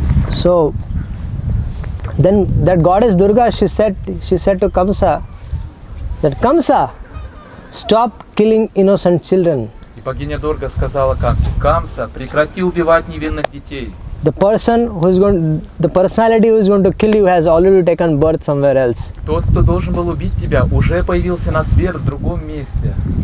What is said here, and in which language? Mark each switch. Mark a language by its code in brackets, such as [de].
[en] So then that goddess Durga, she said to Kamsa, that Kamsa, stop killing innocent children. [ru] И богиня Дурга сказала Камсе, Камса, прекрати убивать невинных детей. [en] The personality who is going to kill you has already taken birth somewhere else. [ru] Тот, кто должен был убить тебя, уже появился на свет в другом месте.